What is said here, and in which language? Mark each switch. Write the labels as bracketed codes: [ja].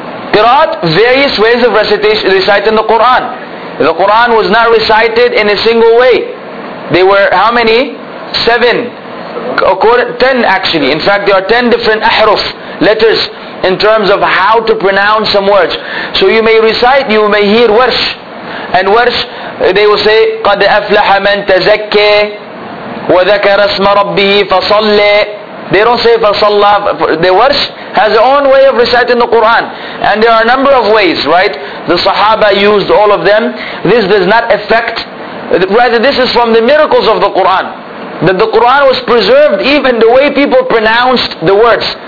[en] Qiraat, various ways of recitation, reciting the Qur'an. The Qur'an was not recited in a single way. They were, how many? Seven. Ten, actually. In fact, there are 10 different ahruf, letters, in terms of how to pronounce some words. So you may recite, you may hear warsh. [ar] And warsh, they will say, قَدْ أَفْلَحَ مَنْ تَزَكَّى وَذَكَرَ اسْمَ رَبِّهِ فَصَلِّ. [en] They don't say فَصَلَّ. The worse has their own way of reciting the Qur'an. And there are a number of ways, right? The Sahaba used all of them. This does not affect, rather this is from the miracles of the Qur'an. That the Qur'an was preserved even the way people pronounced the words.